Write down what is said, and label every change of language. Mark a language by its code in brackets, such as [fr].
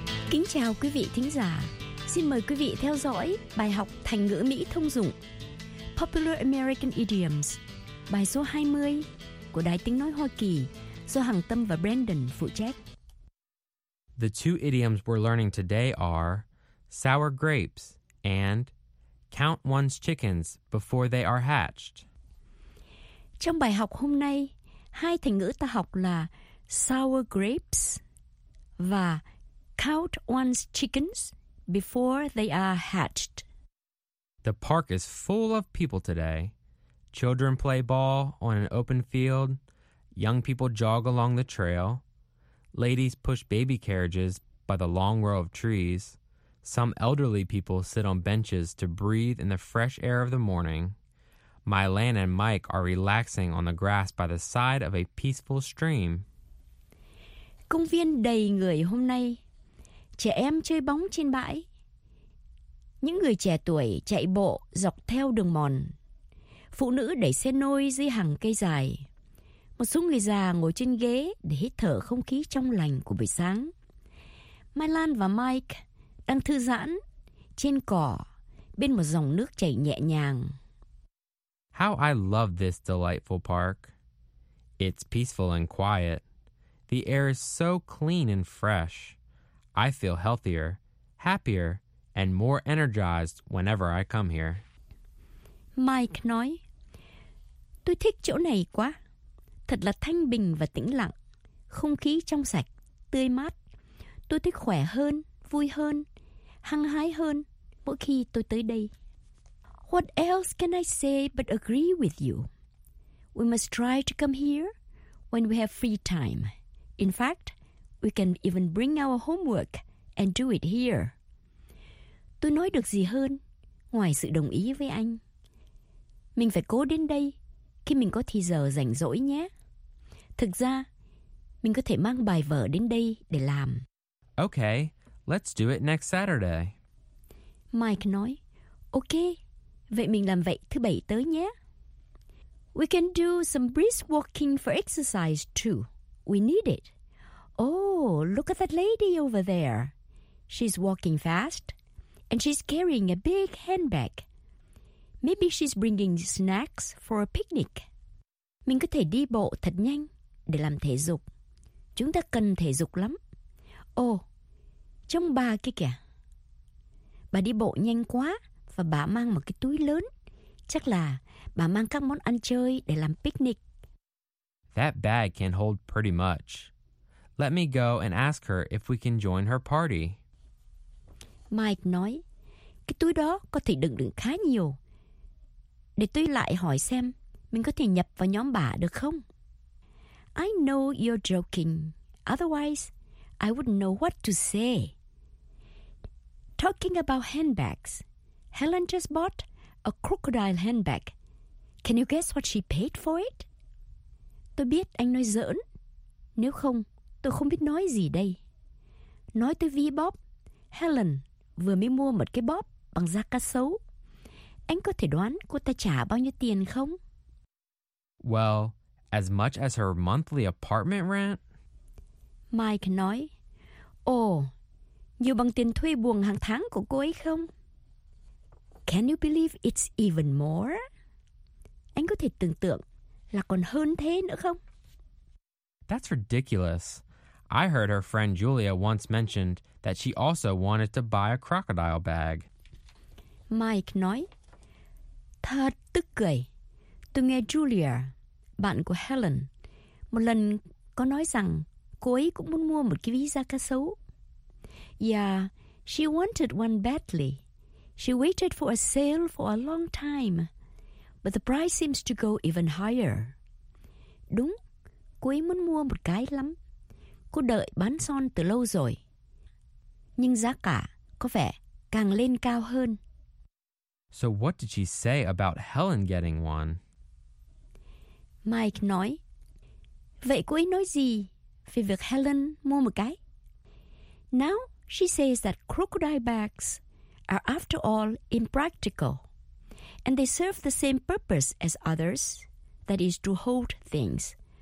[vi] Kính chào quý vị thính giả. Xin mời quý vị theo dõi bài học thành ngữ Mỹ thông dụng Popular American Idioms, bài số 20 của Đài Tiếng Nói Hoa Kỳ do Hằng Tâm và Brandon phụ trách. [en] The two idioms we're learning today are sour grapes and count one's chickens before they are hatched. [vi] Trong bài học hôm nay, hai thành ngữ ta học là [en] sour grapes [vi] và [en] count one's chickens before they are hatched. The park is full of people today. Children play ball on an open field. Young people jog along the trail. Ladies push baby carriages by the long row of trees. Some elderly people sit on benches to breathe in the fresh air of the morning. Mylan and Mike are relaxing on the grass by the side of a peaceful stream. [vi] Công viên đầy người hôm nay. Trẻ em chơi bóng trên bãi. Những người trẻ tuổi chạy bộ dọc theo đường mòn. Phụ nữ đẩy xe nôi dưới hàng cây dài. Một số người già ngồi trên ghế để hít thở không khí trong lành của buổi sáng. Mylan và Mike đang thư giãn trên cỏ bên một dòng nước chảy nhẹ nhàng. [en] How I love this delightful park. It's peaceful and quiet. The air is so clean and fresh. I feel healthier, happier, and more energized whenever I come here. [vi] Mike nói, tôi thích chỗ này quá. Thật là thanh bình và tĩnh lặng. Không khí trong sạch, tươi mát. Tôi thích khỏe hơn, vui hơn, hăng hái hơn mỗi khi tôi tới đây. [en] What else can I say but agree with you? We must try to come here when we have free time. In fact, we can even bring our homework and do it here. [vi] Tôi nói được gì hơn ngoài sự đồng ý với anh? Mình phải cố đến đây khi mình có thời giờ rảnh rỗi nhé. Thực ra, mình có thể mang bài vở đến đây để làm. [en] Okay, let's do it next Saturday. [vi] Mike nói, okay, vậy mình làm vậy thứ bảy tới nhé. [en] We can do some brisk walking for exercise too. We need it. Oh, look at that lady over there. She's walking fast and she's carrying a big handbag. Maybe she's bringing snacks for a picnic. [vi] Mình có thể đi bộ thật nhanh để làm thể dục. Chúng ta cần thể dục lắm. Ồ, trông bà kia kìa. Bà đi bộ nhanh quá và bà mang một cái túi lớn. Chắc là bà mang các món ăn chơi để làm picnic. [en] That bag can hold pretty much. Let me go and ask her if we can join her party. [vi] Mike nói, cái túi đó có thể đựng được khá nhiều. Để tôi lại hỏi xem mình có thể nhập vào nhóm bà được không? [en] I know you're joking. Otherwise, I wouldn't know what to say. Talking about handbags, Helen just bought a crocodile handbag. Can you guess what she paid for it? [vi] Tôi biết anh nói giỡn. Nếu không, tôi không biết nói gì đây. Nói tới ví bóp, Helen vừa mới mua một cái bóp bằng da cá sấu. Anh có thể đoán cô ta trả bao nhiêu tiền không? [en] Well, as much as her monthly apartment rent. [vi] Mike nói, ồ, nhiều bằng tiền thuê buồng hàng tháng của cô ấy không? [en] Can you believe it's even more? [vi] Anh có thể tưởng tượng là còn hơn thế nữa không? [en] That's ridiculous. I heard her friend Julia once mentioned that she also wanted to buy a crocodile bag. [vi] Mike nói, thật tức cười. Tôi nghe Julia, bạn của Helen, một lần có nói rằng cô ấy cũng muốn mua một cái ví da cá sấu. [en] Yeah, she wanted one badly. She waited for a sale for a long time. But the price seems to go even higher. [vi] Đúng, cô ấy muốn mua một cái lắm. Cô đợi bán son từ lâu rồi. Nhưng giá cả có vẻ càng lên cao hơn. [en] So what did she say about Helen getting one? [vi] Mike nói, vậy cô ấy nói gì về việc Helen mua một cái? [en] Now she says that crocodile bags are after all impractical. And they serve the same purpose as others, that is to hold things.